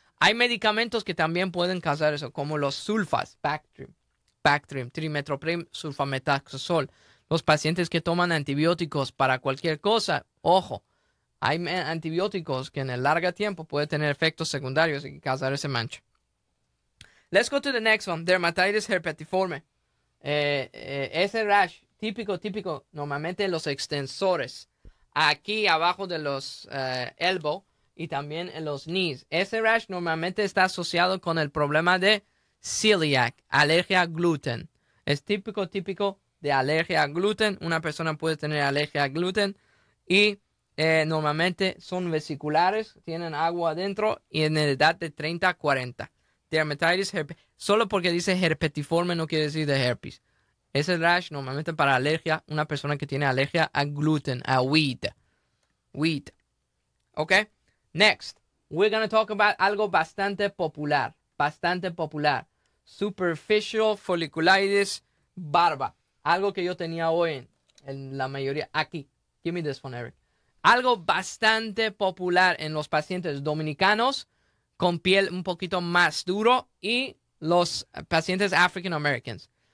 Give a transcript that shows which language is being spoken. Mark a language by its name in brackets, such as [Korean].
[Spanish] Hay medicamentos que también pueden causar eso, como los sulfas, Bactrim, trimetoprim, sulfametaxazol. Los pacientes que toman antibióticos para cualquier cosa, ojo, hay antibióticos que en el largo tiempo pueden tener efectos secundarios y causar ese mancha. [English] Let's go to the next one, dermatitis herpetiforme. [Spanish] Ese rash, típico, normalmente los extensores, aquí abajo de los elbow y también en los knees. Ese rash normalmente está asociado con el problema de celiac, alergia a gluten. Es típico de alergia a gluten. Una persona puede tener alergia a gluten y normalmente son vesiculares, tienen agua adentro y en la edad de 30 a 40. Dermatitis herpes. Solo porque dice herpetiforme no quiere decir de herpes. Ese rash normalmente para alergia, una persona que tiene alergia a gluten, a wheat. Wheat. Ok. [English] Next, we're going to talk about [Spanish] algo bastante popular. Bastante popular. Superficial folliculitis barba. Algo que yo tenía hoy en la mayoría. Aquí. [English] Give me this one, Eric. [Spanish] Algo bastante popular en los pacientes dominicanos con piel un poquito más duro y los pacientes African Americans.